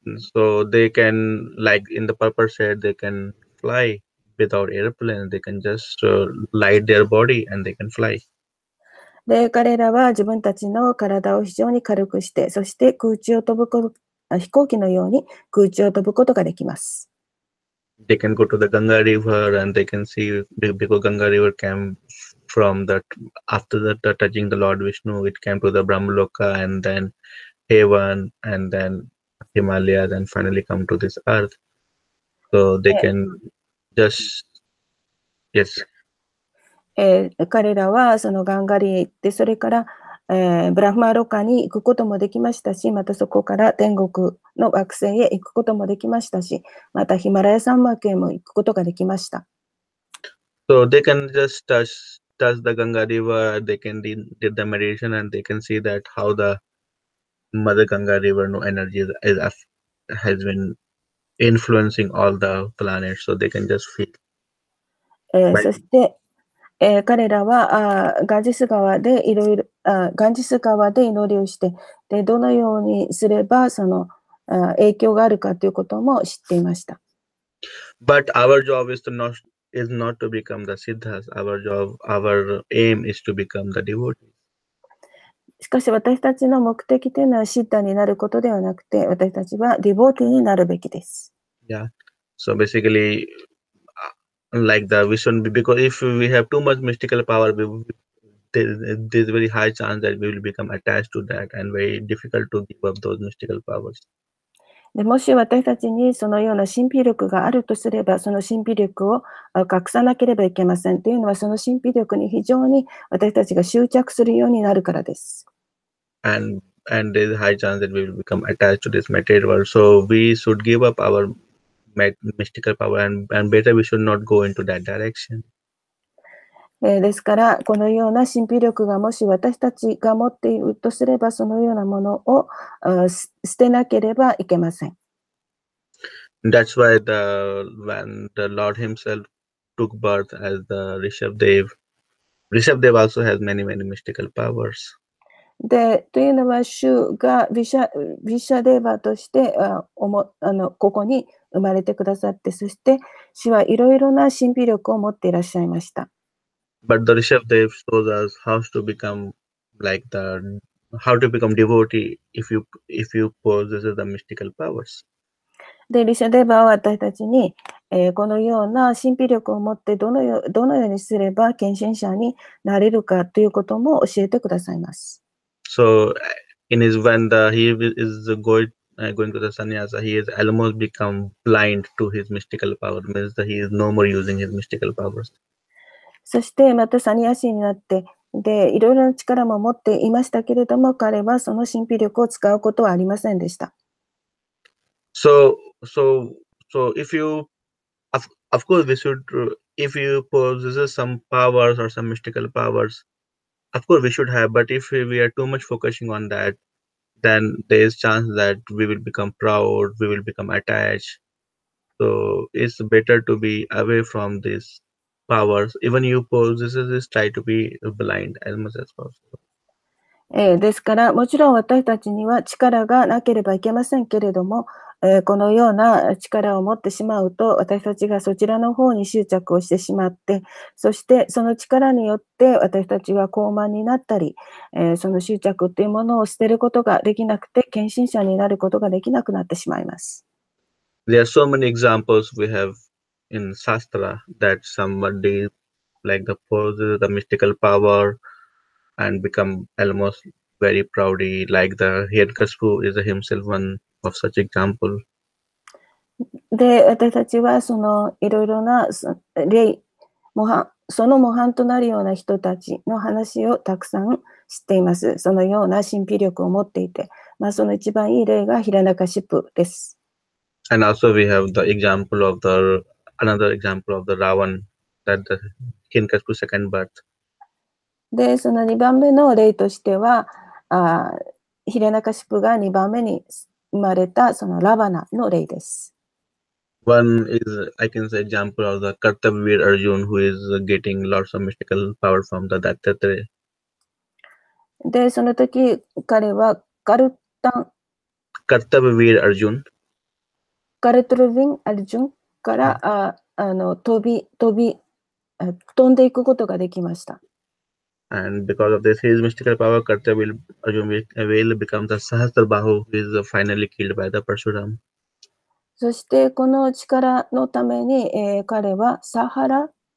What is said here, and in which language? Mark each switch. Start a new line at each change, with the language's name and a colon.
English: So they can, like in the purple shade, they can fly. Without airplane, they can just light their body and they can fly.
Japanese: で、彼らは自分たちの体を非常に軽くして、そして空中を飛ぶこと、飛行機のように空中を飛ぶことができます。
English: They can go to the Ganga River and they can see because Ganga River came from that after the touching the Lord Vishnu, it came to the Brahmaloka and then Heaven and then Himalaya and finally come to this earth. So they can. Just, yes.
Japanese: 彼らはそのガンガリへ行って、それから、ブラフマロカに行くこともできましたし、またそこから天国の惑星へ行くこともできましたし、またヒマラヤ山脈へも行くことができました。
English: So they can just touch the Ganga River, they can did the meditation and they can see that how the Mother Ganga River no energy has beenInfluencing all the planets, so they can just feel.
Japanese: そして、彼らは、ガンジス川でいろいろ、ガンジス川で祈りをして、で、どのようにすれば、その、影響があるかということも知っていました。
English: But our job is not to become the Siddhas. Our job, our aim is to become the devotees.
Japanese: しかし私たちの目的というのはシッダになることではなくて、私たちはディボーティーになるべきです。
English: Yeah. So basically, like the vision, because if we have too much mystical power, there's a very high chance that we will become attached to that and very difficult to give up those mystical powers.
Japanese: でもし私たちにそのような神秘力があるとすれば、その神秘力を隠さなければいけません。というのは、その神秘力に非常に私たちが執着するようになるからです。
English: And there's a high chance that we will become attached to this material world. So we should give up our mystical power and better we should not go into that direction.
Japanese: ですから、このような神秘力がもし私たちが持っているとすれば、そのようなものを捨てなければいけません。
English: That's why when the Lord himself took birth as the Rishabhdev. Rishabhdev also has many, many mystical powers.
Japanese: で、というのは、シュがヴィシャデーヴァとして、ここに生まれてくださって、そして、シュはいろいろな神秘力を持っていらっしゃいました。
English: But the Rishabhdev shows us how to become like the, how to become devotee if you possess the mystical powers.
Japanese: で、リシャデーヴァは私たちに、このような神秘力を持ってどのようにすれば献身者になれるかということも教えてくださいます。
English: So, in his when the, he is going to the sannyasa, he has almost become blind to his mystical power, means that he is no more using his mystical powers.
Japanese: そしてまたサニヤシになって、で、いろいろな力も持っていましたけれども、彼はその神秘力を使うことはありませんでした。
English: So, if you, of course, we should, if you possess some powers or some mystical powers,Of course, we should have, but if we are too much focusing on that, then there is chance that we will become proud, we will become attached. So it's better to be away from these powers. Even you possess this, try to be blind as much as possible.
Japanese: ですから、もちろん私たちには力がなければいけませんけれども、このような力を持ってしまうと私たちがそちらの方に執着をしてしまってそしてその力によって私たちは傲慢になったり、その執着というものを捨てることができなくて献身者になることができなくなってしまいます。
English: There are so many examples we have in Shastra that somebody like the possess the mystical power and become almost very proudy like the Hiranyakashipu is himself oneOf such example.
Japanese: で、私たちはそのいろいろな例、その模範となるような人たちの話をたくさん知っています。そのような神秘力を持っていて、まあ、その一番いい例がヒラナカシプです。
English: And also we have the example of the another example of the Ravan that the Hiranyakashipu second birth.
Japanese: で、その2番目の例としては、ヒラナカシプが2番目に生まれたそのラバナの例です。
English: One is, I can say, example of the Kartavir Arjuna who is getting lots of mystical power from the Dattatreya.
Japanese: で、その時彼はカルタン。 Kartavir Arjuna。カルトルヴィン・アルジュンから、飛んでいくことができました。
English: And because of this, his mystical power, Kartavir Arjuna will become the Sahasrabahu, who is finally killed by the Parshuram.
Japanese: そしてこの力のために、彼はサハラ。